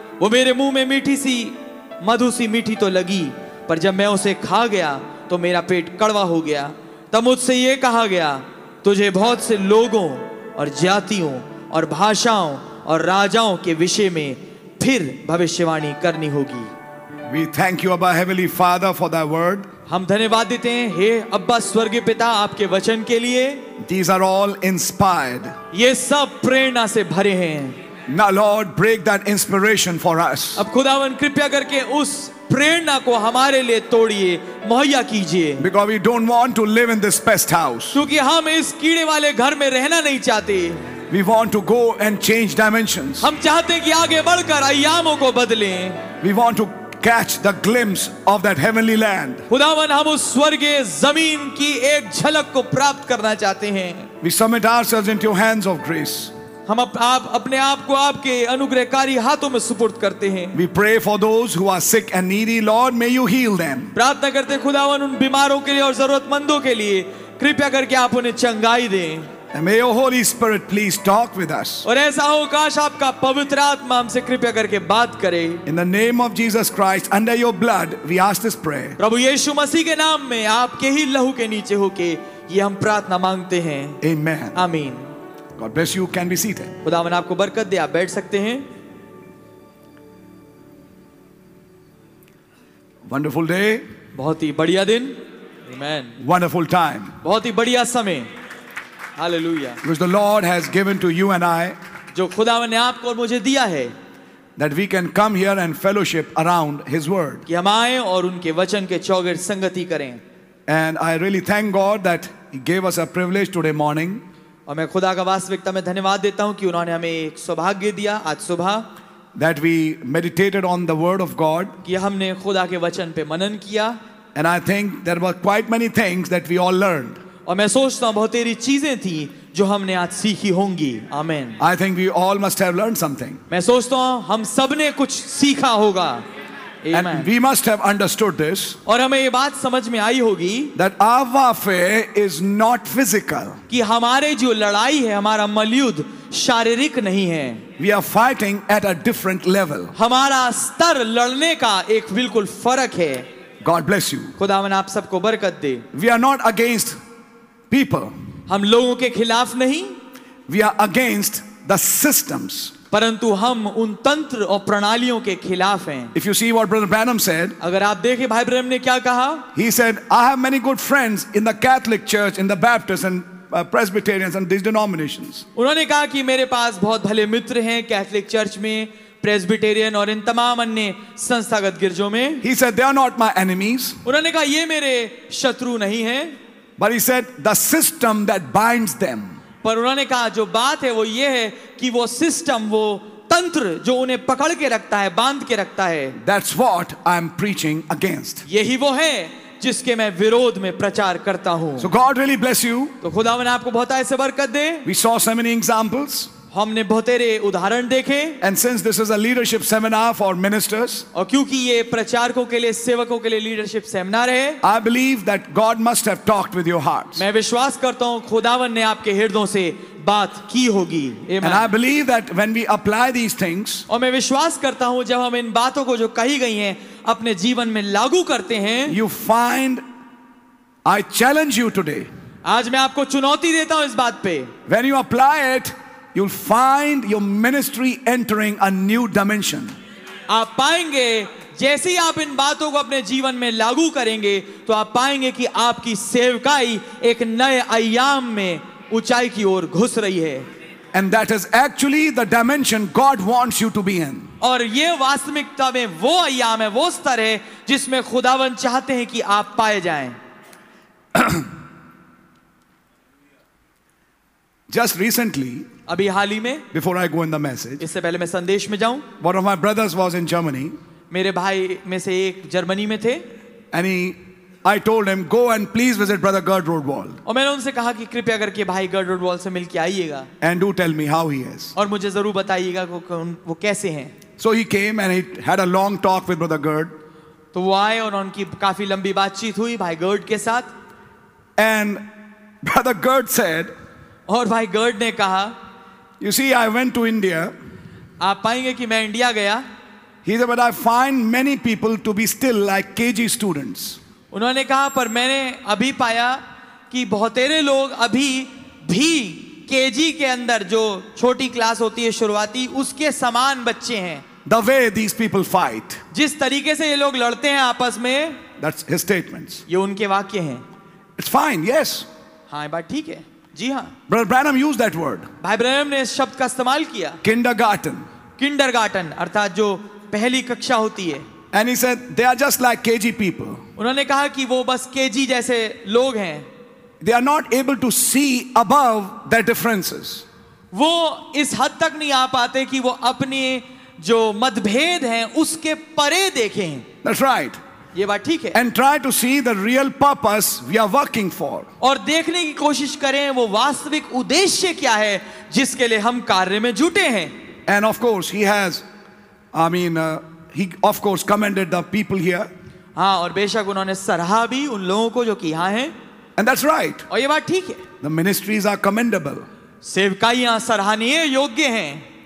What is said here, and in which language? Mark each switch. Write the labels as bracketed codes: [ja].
[hi] वो मेरे मुंह में मीठी सी मधु सी मीठी तो लगी, पर जब मैं उसे खा गया तो मेरा पेट कड़वा हो गया। तब मुझसे ये कहा गया, तुझे बहुत से लोगों और जातियों और भाषाओं और राजाओं के विषय में फिर भविष्यवाणी करनी होगी। [en] We thank you, Abba Heavenly Father, for thy word. [hi] हम धन्यवाद देते हैं हे अब्बा स्वर्गीय पिता आपके वचन के लिए। [en] These are all inspired. [hi] ये सब प्रेरणा से भरे हैं। [en] Now Lord, break that inspiration for us. [hi] अब खुदावन कृपया करके उस प्रेरणा को हमारे लिए तोड़िए, मुहैया कीजिए। [en] Because we don't want to live in this pest house. [hi] क्योंकि हम इस कीड़े वाले घर में रहना नहीं चाहते। [en] We want to go and change dimensions. [hi] हम चाहते हैं कि आगे बढ़कर आयामों को बदलें। [en] We want to catch the glimpse of that heavenly land. [hi] खुदावन हम उस स्वर्गीय जमीन की एक झलक को प्राप्त करना चाहते हैं। [en] We submit ourselves into your hands of grace. [hi] हम अपने आप को आपके अनुग्रहकारी हाथों में सुपुर्द करते हैं। [en] We pray for those who are sick and needy. Lord, may you heal them. [hi] प्रार्थना करते हैं खुदावन उन बीमारों के लिए और जरूरतमंदों के लिए, कृपया करके आप उन्हें चंगाई दें. [en] And may your Holy Spirit please talk with us. [hi] और ऐसा हो काश आपका पवित्र आत्मा हमसे कृपया करके बात करे. [en] In the name of Jesus Christ, under your blood, we ask this prayer. [hi] प्रभु यीशु मसीह के नाम में आपके ही लहू के नीचे होके ये हम प्रार्थना मांगते हैं. [en] Amen. [hi] आमीन. [en] God bless you. Can be seated. [hi] खुदावन आपको बरकत दे. आप बैठ सकते हैं. [en] Wonderful day. [hi] बहुत ही बढ़िया दिन. Amen. [en] Wonderful time. [hi] बहुत ही बढ़िया समय. Hallelujah. [en] Which the Lord has given to you and I. [hi] जो खुदावन ने आपको और मुझे दिया है. [en] That we can come here and fellowship around His word. [hi] कि हम आएं और उनके वचन के चौगिर संगति करें. [en] And I really thank God that He gave us a privilege today morning. [hi] और मैं खुदा का वास्तविकता में धन्यवाद देता हूं कि उन्होंने हमें एक सौभाग्य दिया आज सुबह. [en] That we meditated on the word of God. [hi] कि हमने खुदा के वचन पे मनन किया. [en] And I think there were quite many things that we all learned. [hi] और मैं सोचता हूँ बहुत सारी चीजें थी जो हमने आज सीखी होंगी. आमेन. [en] I think we all must have learned something. [hi] मैं सोचता हूँ हम सब ने कुछ सीखा होगा. [en] And we must have understood this. [hi] और हमें ये बात समझ में आई होगी. [en] That our warfare is not physical. [hi] कि हमारे जो लड़ाई है हमारा मलयुद्ध शारीरिक नहीं है. [en] We are fighting at a different level. [hi] हमारा स्तर लड़ने का एक बिल्कुल फर्क है. [en] God bless you. [hi] खुदावन आप सबको बरकत दे. [en] We are not against people. [hi] हम लोगों के खिलाफ नहीं. [en] We are against the systems. [hi] परंतु हम उन तंत्र और प्रणालियों के खिलाफ हैं. [en] If you see what Brother Branham said, [hi] अगर आप देखें भाई ब्रैनम ने क्या कहा. [en] He said, I have many good friends in the Catholic Church, in the Baptist and Presbyterians and these denominations. [hi] उन्होंने कहा कि मेरे पास बहुत भले मित्र हैं कैथोलिक चर्च में, प्रेस्बिटेरियन और इन तमाम अन्य संस्थागत गिरजों में. [en] He said, they are not my enemies. [hi] उन्होंने कहा ये मेरे शत्रु नहीं हैं. [en] But he said, the system that binds them. [hi] पर उन्होंने कहा जो बात है वो ये है कि वो सिस्टम वो तंत्र जो उन्हें पकड़ के रखता है बांध के रखता है. [en] That's what I'm preaching against. [hi] यही वो है जिसके मैं विरोध में प्रचार करता हूँ. [en] So God really bless you. [hi] तो खुदावन आपको बहुत ऐसे बरकत दे. [en] We saw so many examples. [hi] हमने बहुतेरे उदाहरण देखे. [en] And since this is a leadership seminar for ministers, [hi] और क्योंकि ये प्रचारकों के लिए सेवकों के लिए लीडरशिप सेमिनार है, [en] I believe that God must have talked with your hearts. [hi] मैं विश्वास करता हूँ खुदावन ने आपके हृदयों से बात की होगी. [en] And I believe that when we apply these things, [hi] और मैं विश्वास करता हूँ जब हम इन बातों को जो कही गई हैं अपने जीवन में लागू करते हैं, [en] you find, I challenge you today. [hi] आज मैं आपको चुनौती देता हूँ इस बात पे. [en] When you apply it, you'll find your ministry entering a new dimension. [hi] आप पाएंगे जैसे ही आप इन बातों को अपने जीवन में लागू करेंगे तो आप पाएंगे कि आपकी सेवकाई एक नए आयाम में ऊंचाई की ओर घुस रही है. [en] And that is actually the dimension God wants you to be in. [hi] और ये वास्तविकता में वो आयाम है वो स्तर है जिसमें खुदावन चाहते हैं कि आप पाए जाएं. [en] Just recently, [hi] अभी हाल ही में, [en] before I go in the message, [hi] इससे पहले मैं संदेश में जाऊं, [en] one of my brothers was in Germany, [hi] मेरे भाई में से एक जर्मनी में थे, [en] and I told him, go and please visit brother Gerd Rodewald. [hi] और मैंने उनसे कहा कि कृपया करके भाई Gerd Rodewald से मिलके आइएगा, [en] and do tell me how he is. [hi] और मुझे जरूर बताइएगा वो कैसे हैं. [en] So he came and he had a long talk with brother Gerd. [hi] तो वो आए और उनकी काफी लंबी बातचीत हुई भाई Gerd के साथ. [en] And brother Gerd said, [hi] और भाई Gerd ने कहा, [en] you see, I went to India. [hi] आप पाएंगे कि मैं इंडिया गया. [en] He said, but I find many people to be still like KG students. [hi] उन्होंने कहा पर मैंने अभी पाया कि बहुतेरे लोग अभी भी KG के अंदर जो छोटी क्लास होती है शुरुआती उसके समान बच्चे हैं. [en] The way these people fight. [hi] जिस तरीके से ये लोग लड़ते हैं आपस में. [en] That's his statements. [hi] ये उनके वाक्य हैं. [en] It's fine. Yes. [hi] हाँ बात ठीक है. जी हाँ. [en] Brother Branham used that word. [hi] भाई ब्रैनम ने इस शब्द का इस्तेमाल किया. [en] Kindergarten. [hi] Kindergarten अर्थात जो पहली कक्षा होती है. [en] And he said they are just like KG people. [hi] उन्होंने कहा कि वो बस KG जैसे लोग हैं. [en] They are not able to see above their differences. [hi] वो इस हद तक नहीं आ पाते कि वो अपने जो मतभेद हैं उसके परे देखें. [en] That's right. [hi] ये बात ठीक है. [en] And try to see the real purpose we are working for. [hi] और देखने की कोशिश करें वो वास्तविक उद्देश्य क्या है जिसके लिए हम कार्य में जुटे हैं. [en] And of course he has, I mean, he of course commended the people here. [hi] हाँ और बेशक उन्होंने सराहा भी उन लोगों को जो कि यहाँ हैं. [en] And that's right. The ministries are commendable. [hi] सेवकाइयां सराहनीय योग्य हैं.